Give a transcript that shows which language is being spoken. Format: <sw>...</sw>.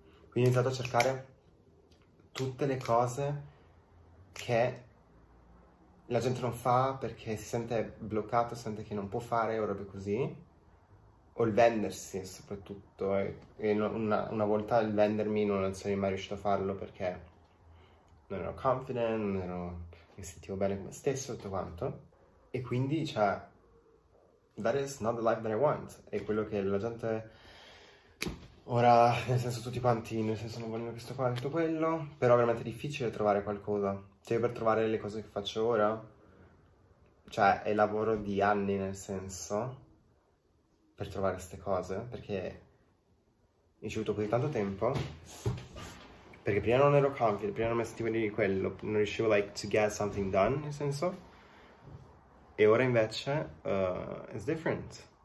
<it>Quindi ho iniziato a cercare tutte le cose che la gente non fa perché si sente bloccato, sente che non può fare o robe così. O il vendersi, soprattutto. E una volta il vendermi non sarei mai riuscito a farlo perché non ero confident, non mi sentivo bene con me stesso, tutto quanto. E quindi, cioè,</it> <en>that is not the life that I want.</en> <it>È quello che la gente ora, nel senso, tutti quanti, nel senso, non vogliono questo qua, tutto quello. Però è veramente difficile trovare qualcosa. Cioè, per trovare le cose che faccio ora, cioè, è lavoro di anni, nel senso, per trovare queste cose, perché mi ci è voluto così tanto tempo, perché prima non ero confident, prima non mi sentivo di quello, non riuscivo,</it> <en>like, to get something done,</en> <it>nel senso, e ora invece,</it> <en>it's different.</en>